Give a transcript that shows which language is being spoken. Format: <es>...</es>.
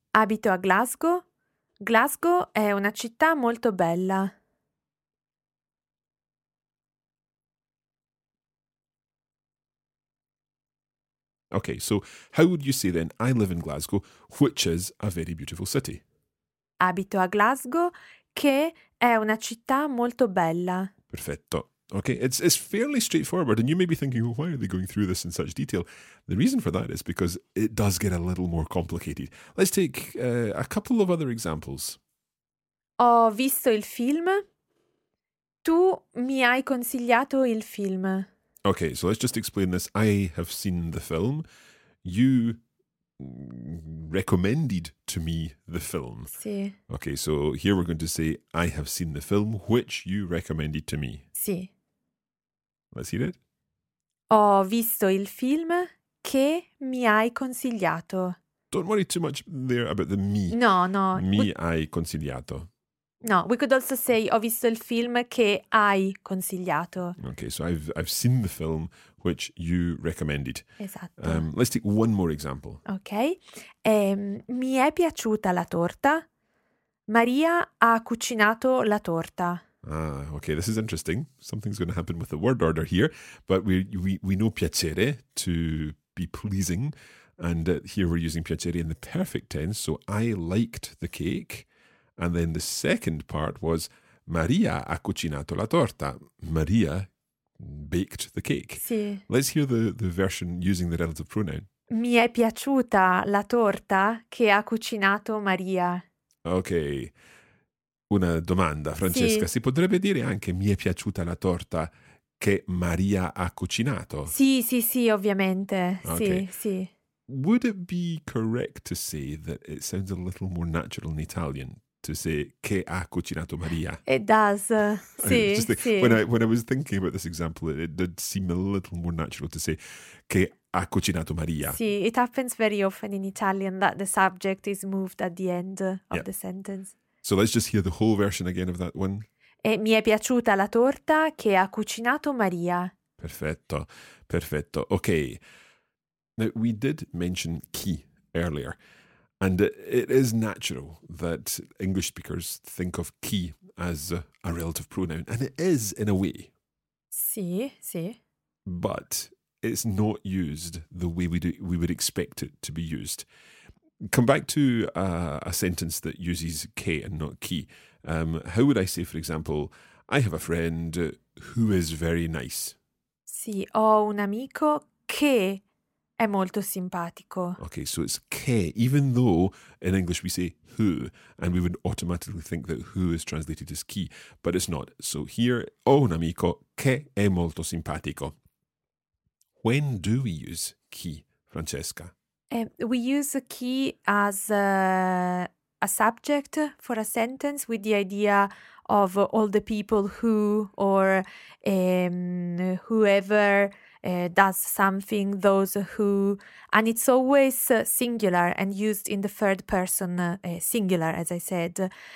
<it>Abito a Glasgow. Glasgow è una città molto bella.</it> <en>Okay, so how would you say then, I live in Glasgow, which is a very beautiful city?</en> <it>Abito a Glasgow, che è una città molto bella. Perfetto.</it> <en>Okay, it's fairly straightforward, and you may be thinking, well, why are they going through this in such detail? The reason for that is because it does get a little more complicated. Let's take a couple of other examples.</en> <it>Ho visto il film. Tu mi hai consigliato il film.</it> <en>Okay, so let's just explain this. I have seen the film. You recommended to me the film.</en> <it>Sì.</it> <en>Okay, so here we're going to say, I have seen the film which you recommended to me.</en> <it>Sì.</it> <en>Let's hear it.</en> <it>Ho visto il film che mi hai consigliato.</it> <en>Don't worry too much there about the me. No, no.</en> <it>Mi hai consigliato.</it> <en>No, we could also say,</en> <it>ho visto il film che hai consigliato.</it> <en>Okay, so I've seen the film which you recommended.</en> <it>Esatto.</it> <en>Let's take one more example.</en> <it>Okay. Mi è piaciuta la torta. Maria ha cucinato la torta.</it> <en>Ah, okay, this is interesting. Something's going to happen with the word order here. But we know piacere, to be pleasing. And here we're using piacere in the perfect tense. So I liked the cake. And then the second part was</en> <it>Maria ha cucinato la torta.</it> <en>Maria baked the cake.</en> <it>Sì.</it> <en>Let's hear the version using the relative pronoun.</en> <it>Mi è piaciuta la torta che ha cucinato Maria. Okay. Una domanda, Francesca. Sì. Si potrebbe dire anche mi è piaciuta la torta che Maria ha cucinato? Sì, sì, sì, ovviamente. Okay. Sì, sì.</it> <en>Would it be correct to say that it sounds a little more natural in Italian to say</en> <it>che ha cucinato Maria?</it> <en>It does. Sì, just the, sì. When I was thinking about this example, it did seem a little more natural to say</en> <it>che ha cucinato Maria.</it> <en>Sì, it happens very often in Italian that the subject is moved at the end of the sentence. So let's just hear the whole version again of that one.</en> <it>E mi è piaciuta la torta che ha cucinato Maria. Perfetto, perfetto.</it> <en>Okay. Now, we did mention chi earlier. And it is natural that English speakers think of chi as a relative pronoun. And it is, in a way. Sì, sì. But it's not used the way we would expect it to be used. Come back to a sentence that uses che and not chi. How would I say, for example, I have a friend who is very nice.</en> <it>Sì, ho un amico che è molto simpatico.</it> <en>Okay, so it's che, even though in English we say who, and we would automatically think that who is translated as chi, but it's not. So here,</en> <it>ho un amico che è molto simpatico.</it> <en>When do we use chi, Francesca? We use chi as a subject for a sentence with the idea of all the people who or whoever does something, those who, and it's always singular and used in the third person singular, as I said.</en>